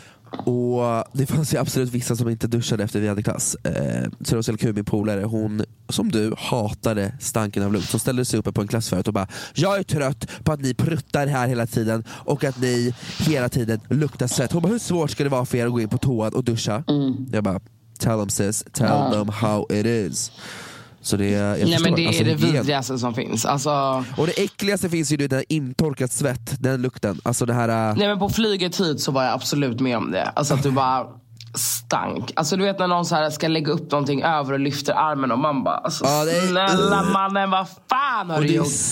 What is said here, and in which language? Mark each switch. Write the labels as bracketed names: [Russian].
[Swedish] Och det fanns ju absolut vissa som inte duschade efter vi hade klass. Så det var så kul, min polare, hon som du hatade stanken av lukt. Så ställde sig uppe på en klassföret och bara: jag är trött på att ni pruttar här hela tiden och att ni hela tiden luktar svett. Hon bara: hur svårt ska det vara för er att gå in på toan och duscha? Mm. Jag bara: [English] tell them sis, tell them how it is. [Swedish] Så det, nej, men det alltså, är det vidrigaste som finns alltså. Och det äckligaste finns ju det där intorkat svett, den lukten alltså det här, nej, men på flyget hit så var jag absolut med om det. Alltså att du bara stank. Alltså du vet när någon så här ska lägga upp någonting över och lyfter armen och man bara alltså, ah, det är, snälla mannen, vad fan har du gjort?